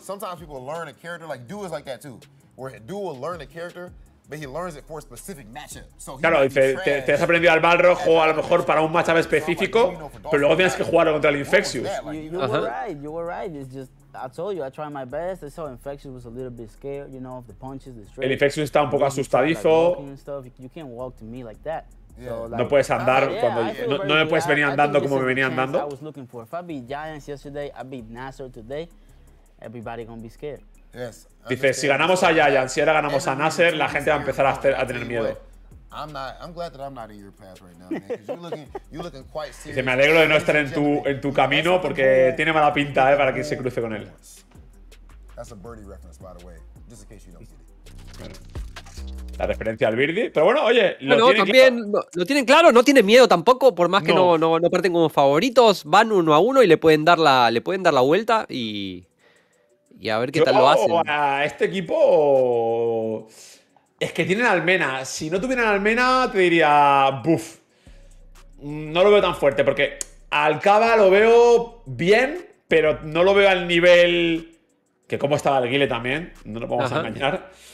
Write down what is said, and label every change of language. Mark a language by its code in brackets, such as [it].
[en] Sometimes people learn a character, like Duo is like that too. Where Duo will learn a character, but he learns it for a specific matchup. [es] Claro, te has aprendido al Balrog, o a lo mejor para un matchup específico, pero luego tienes que jugarlo contra el Infectious. [en] You were right, it's just. I told you, I tried my best. I saw Infectious was a little bit scared, you know, of the punches, the strikes. [es] El Infectious está un poco asustadizo. [en] You can't walk to me like that. [es] No puedes andar cuando no me puedes venir andando como me venía andando. [en] I was looking for. If I beat Giants yesterday, I beat Nasser today. Everybody gonna be scared. Yes. [es] Dice, si ganamos a Giants, si ahora ganamos a Nasser, la gente va a empezar a tener miedo. [en] I'm glad that I'm not in your path right now, man. You're looking quite serious. [es] Dice, me alegro de no estar en tu camino porque tiene mala pinta, para que se cruce con él. [en] That's a birdie reference, by the way, just in case you don't get it. [es] La referencia al Birdie, pero bueno, oye, lo tienen claro, no tiene miedo tampoco, por más que no parten como favoritos, van 1-1 y le pueden dar la vuelta y a ver qué tal lo hacen. A este equipo es que tienen Almena, si no tuvieran Almena te diría buf, no lo veo tan fuerte, porque al Kaba lo veo bien, pero no lo veo al nivel que como estaba el Guile también, no nos vamos a engañar.